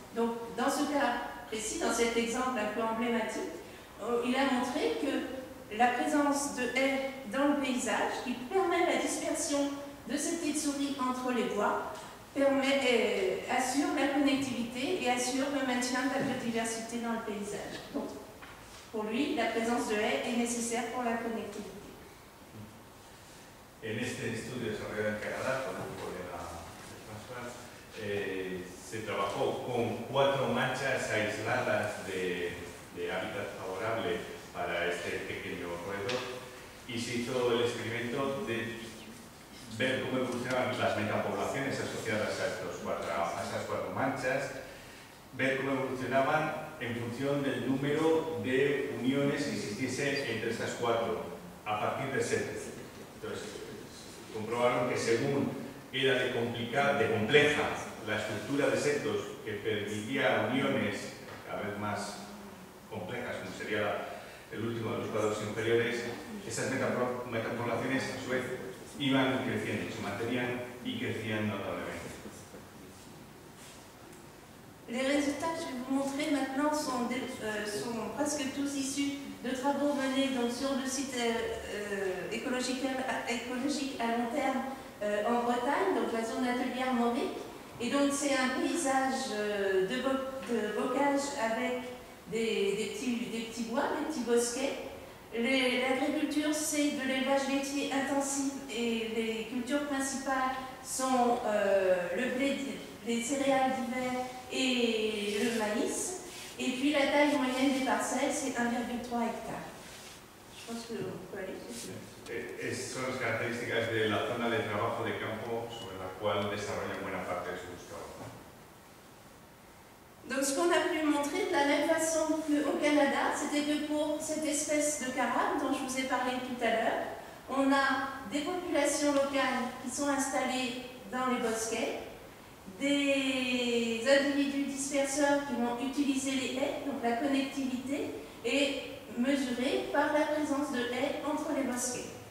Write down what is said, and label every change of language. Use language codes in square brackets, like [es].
[fr] Donc, dans ce cas précis, dans cet exemple un peu emblématique, il a montré que la présence de haies dans le paysage qui permet la dispersion de ces petites souris entre les bois permet, assure la connectivité et assure le maintien de la biodiversité dans le paysage. Donc, pour lui, la présence de haies est nécessaire pour la connectivité. [es] En este estudio desarrollado en Canadá, por el grupo de la Transplant, se trabajó con cuatro manchas aisladas de hábitat favorable para este pequeño roedor, y se hizo el experimento de ver cómo evolucionaban las metapoblaciones asociadas a esas cuatro manchas, ver cómo evolucionaban en función del número de uniones que existiese entre estas cuatro, a partir de 7. Entonces, comprobaron que según era de compleja la estructura de setos que permitía uniones cada vez más complejas, como sería la el último de los cuadros inferiores, esas metapoblaciones a su vez iban creciendo, se mantenían y crecían notablemente. [fr] Les résultats que je vais vous montrer maintenant sont presque tous issus de travaux menés donc sur le site écologique à long terme en Bretagne, donc la zone atelier Morique. Et donc c'est un paysage de bocage avec des petits bois, des petits bosquets. L'agriculture, c'est de l'élevage laitier intensif et les cultures principales sont le blé, les céréales d'hiver et le maïs. Et puis la taille moyenne des parcelles, c'est 1,3 hectare. Je pense que vous pouvez aller. [es] Es, son las características de la zona de trabajo de campo sobre la cual desarrollan buena parte de sus trabajos. [fr] Donc, ce qu'on a pu montrer de la même façon qu'au Canada, c'était que pour cette espèce de carabe dont je vous ai parlé tout à l'heure, on a des populations locales qui sont installées dans les bosquets, des individus disperseurs qui vont utiliser les haies, donc la connectivité, et mesuré par la présence de haies entre les bosquets.